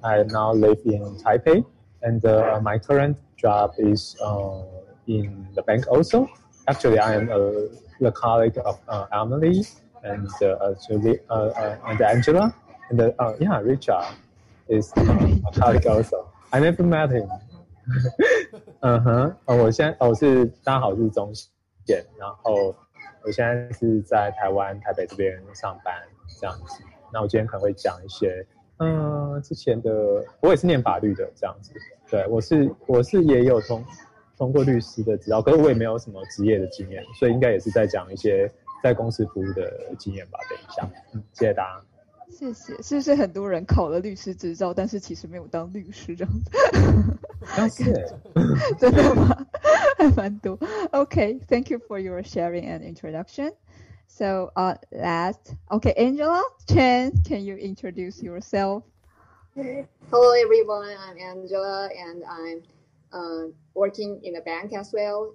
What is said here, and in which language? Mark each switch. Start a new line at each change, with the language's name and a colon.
English: I now live in Taipei, and my current job is in the bank also. Actually, I am the colleague of Emily and and Angela, and Richard is a colleague also. I never met him.
Chinese: 我是刚好是中间，然后我现在是在台湾台北这边上班这样子。那我今天可能会讲一些，之前的我也是念法律的这样子。对，我是也有通过律师的执照，可是我也没有什么职业的经验，所以应该也是在讲一些在公司服务的经验吧。等一下，谢谢大家。谢谢。是不是很多人考了律师执照，但是其实没有当律师这样子？真的吗？还蛮多。
English: Okay, thank you for your sharing and introduction. So, last, okay, Angela Chen, can you introduce yourself? Hello, everyone. I'm Angela, and I'm working in a bank as well.